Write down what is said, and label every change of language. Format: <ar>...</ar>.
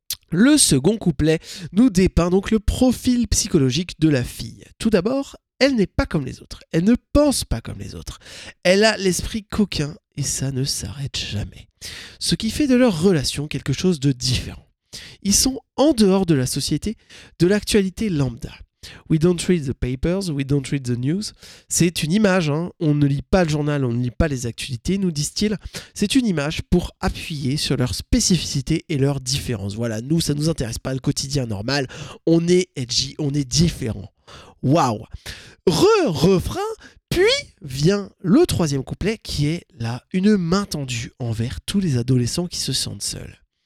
<fr>Le second couplet nous dépeint donc le profil psychologique de la fille. Tout d'abord, elle n'est pas comme les autres. Elle ne pense pas comme les autres. Elle a l'esprit coquin et ça ne s'arrête jamais. Ce qui fait de leur relation quelque chose de différent. Ils sont en dehors de la société, de l'actualité lambda.</fr> <en>We don't read the papers, we don't read the news.</en> <fr>C'est une image, hein. On ne lit pas le journal, on ne lit pas les actualités, nous disent-ils. C'est une image pour appuyer sur leurs spécificités et leurs différences. Voilà, nous, ça ne nous intéresse pas, le quotidien normal. On est edgy, on est différent. Waouh ! Refrain, puis vient le troisième couplet qui est là, une main tendue envers tous les adolescents qui se sentent seuls.</fr>